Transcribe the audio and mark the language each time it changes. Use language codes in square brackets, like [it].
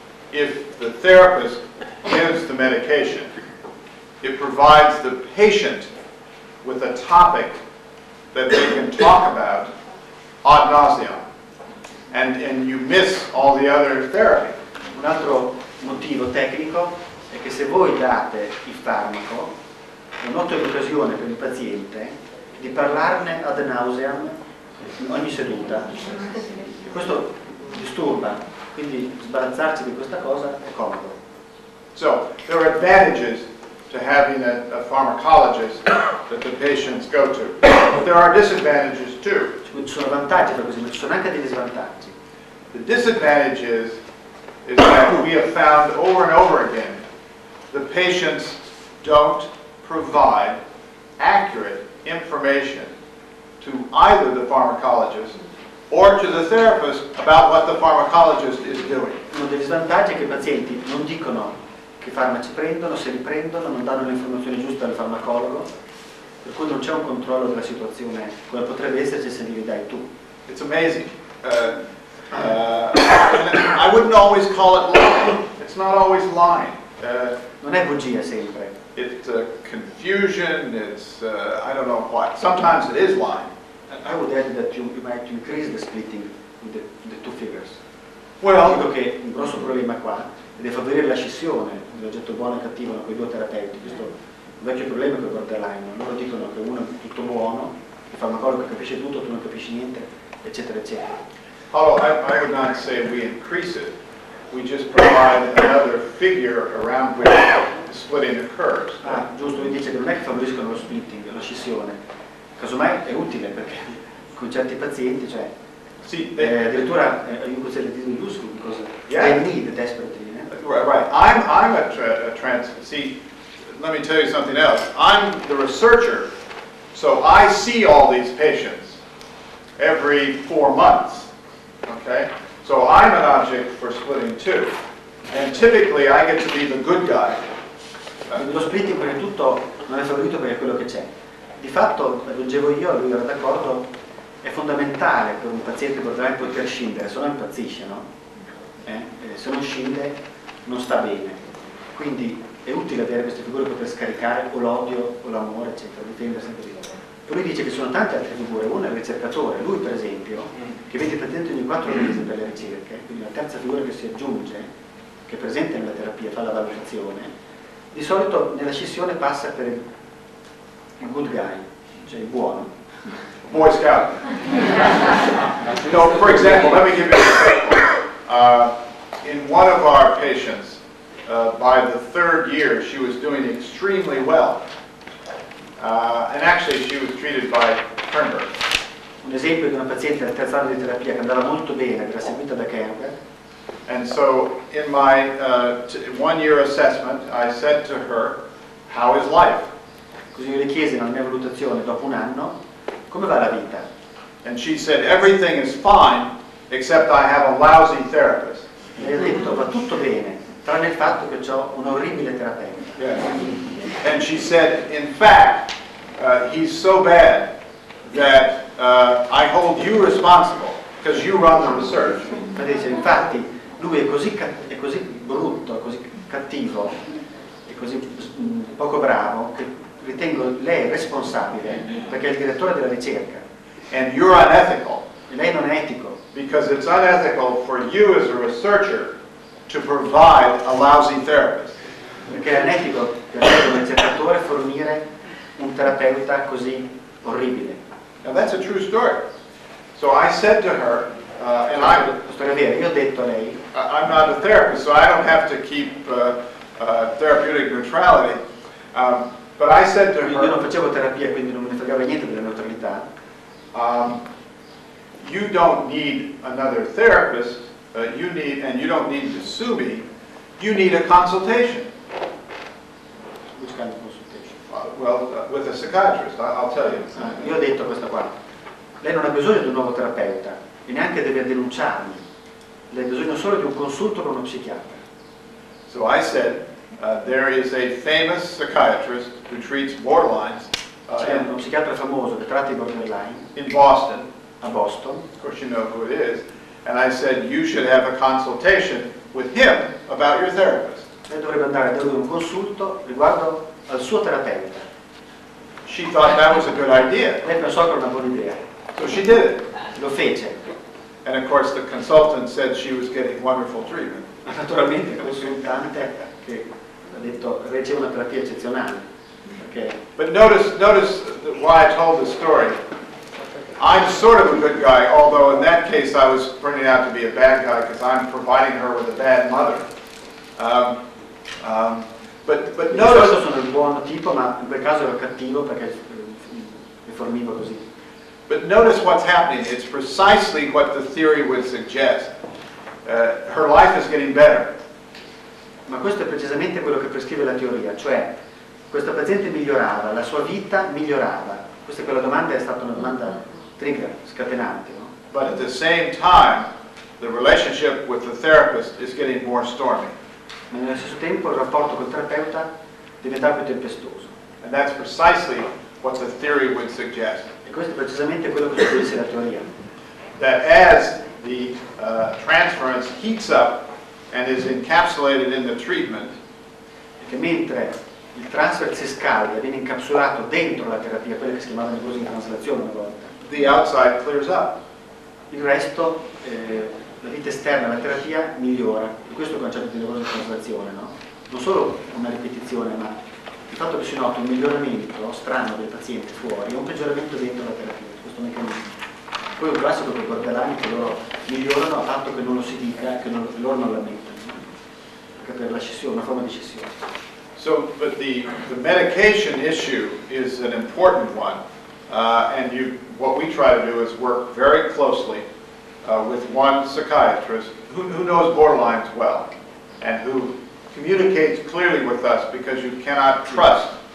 [en] If the therapist gives the medication, it provides the patient with a topic that they can talk about ad nauseam, and you miss all the other therapy. [it] Un altro motivo tecnico è che se voi date il farmaco, non ho l'occasione per il paziente di parlarne ad nauseam in ogni seduta. E questo disturba, quindi sbarazzarci di questa cosa è comodo. [en] So, there are advantages to having a pharmacologist that the patients go to. But there are disadvantages too. [it] Ci sono vantaggi per questo, ma ci sono anche degli svantaggi. [en] The disadvantage is that we have found over and over again the patients don't provide accurate information to either the pharmacologist or to the therapist about what the pharmacologist is doing. [it] Uno degli svantaggi è che i pazienti non dicono che farmaci prendono, se li prendono, non danno le informazioni giuste al farmacologo, per cui non c'è un controllo della situazione come potrebbe esserci se li dai tu. [en] It's amazing. I wouldn't always call it lying. It's not always lying. [it] Non è bugia sempre. [en] It's confusion, it's I don't know what. Sometimes it is lying. I would add that you might increase the splitting with the two figures. Well, [it] dico che un grosso problema qua è di favorire la scissione dell'oggetto buono e cattivo con i due terapeuti. Questo è un vecchio problema con il borderline. Loro dicono che uno è tutto buono, il farmacologo capisce tutto, tu non capisci niente, eccetera, eccetera. [en] Although I would not say we increase it. We just provide another figure around which the splitting occurs. [it] Ah, giusto, mi dice che non è che favoriscono lo splitting, la scissione. Casomai è utile perché con certi pazienti, cioè. Sì, addirittura aiuto se le dismi giusto in cosa. [en] Yeah. I need desperately, eh? Right. I'm a trans. See, let me tell you something else. I'm the researcher, so I see all these patients every 4 months. Okay? So I'm an object for splitting too. And typically I get to be the good guy. [it] Lo splitting prima di tutto non è favorito perché è quello che c'è. Di fatto, aggiungevo io, lui era d'accordo. È fondamentale per un paziente borderline poter scindere, se no impazzisce, no? Se non scinde non sta bene. Quindi è utile avere queste figure per scaricare o l'odio o l'amore, eccetera, difendere sempre di loro. Poi lui dice che sono tante altre figure, una è il ricercatore, lui per esempio, che vede il paziente ogni 4 mesi per le ricerche, quindi la terza figura che si aggiunge, che è presente nella terapia, fa la valutazione, di solito nella scissione passa per il [en] good guy, [it] cioè il buono. [en] Boy Scout. No, for example, let me give you an example. In one of our patients, by the third year, she was doing extremely well. And actually, she was treated by Kernberg. [it] Un esempio di una paziente al terzo anno di terapia che andava molto bene, era seguita da Kernberg. [en] And so, in my one-year assessment, I said to her, "How is life?" [it] Così io le chiesi nella mia valutazione dopo un anno. Come va la vita? [en] And she said, "Everything is fine, except I have a lousy therapist." [it] E ha detto, va tutto bene, tranne il fatto che ho un orribile terapeuta. [en] Yeah. And she said, "In fact, he's so bad that I hold you responsible, because you run the research." [it] Ma dice, infatti, lui è così brutto, così cattivo, e così poco bravo, che ritengo lei responsabile perché è il direttore della ricerca. [en] And you're unethical. [it] E lei non è etico. [en] Because it's unethical for you as a researcher to provide a lousy therapist. [it] Perché è unethico per lei come ricercatore fornire un terapeuta così orribile. [en] Now that's a true story. So I said to her, and I. [it] Storia vera. Io ho detto a lei. [en] I'm not a therapist, so I don't have to keep therapeutic neutrality. But I said to her, [it] io non facevo terapia, quindi non me ne fregava niente della neutralità. [en] You don't need another therapist, you need, and you don't need to sue me, you need a consultation. Which kind of consultation? With a psychiatrist, I'll tell you. [it] Io ho detto questa qua. Lei non ha bisogno di un nuovo terapeuta, e neanche deve denunciarmi. del bisogno solo di un consulto con uno psichiatra. [en] So I said, there is a famous psychiatrist who treats borderlines. [it] C'è uno psichiatra famoso che tratta i borderline. [en] In Boston. [it] A Boston. [en] Of course you know who it is. And I said, you should have a consultation with him about your therapist. [it] Lei dovrebbe andare da lui un consulto riguardo al suo terapeuta. [en] She thought that was a good idea. [it] Lei pensò che era una buona idea. [en] So she did it. [it] Lo fece. [en] And of course the consultant said she was getting wonderful treatment. [it] Naturalmente il consultante che ha detto riceve una terapia eccezionale. [en] Okay. But notice why I told this story. I'm sort of a good guy, although in that case I was turning out to be a bad guy because I'm providing her with a bad mother. But notice. [it] Sono un buon tipo, ma in quel caso ero cattivo perché mi fornivo così. [en] But notice what's happening. It's precisely what the theory would suggest. Her life is getting better. [it] Ma questo è precisamente quello che prescrive la teoria, cioè questa paziente migliorava, la sua vita migliorava. Questa è quella domanda, è stata una domanda trigger, scatenante, no? [en] But at the same time, the relationship with the therapist is getting more stormy. [it] Ma nello stesso tempo il rapporto col terapeuta diventa più tempestoso. [en] And that's precisely what the theory would suggest. [it] E questo è precisamente quello che suggerisce la teoria. [en] That as the transference heats up and is encapsulated in the treatment. [it] E che mentre il transfer si scalda, viene incapsulato dentro la terapia, quella che si chiamava così in translazione una volta. [en] The outside clears up. [it] Il resto, la vita esterna, la terapia, migliora. E questo è il concetto di nevrosi in translazione, no? Non solo una ripetizione, ma il fatto che si nota un miglioramento strano del paziente fuori e un peggioramento dentro la terapia, questo meccanismo. Poi un classico che guarda l'anno che loro migliorano a patto che non lo si dica, che non, loro non l'ammettano, anche per la scissione, una forma di scissione. [en] So, but the medication issue is an important one, and you, what we try to do is work very closely with one psychiatrist who knows borderlines well, and who communicates clearly with us because you cannot trust.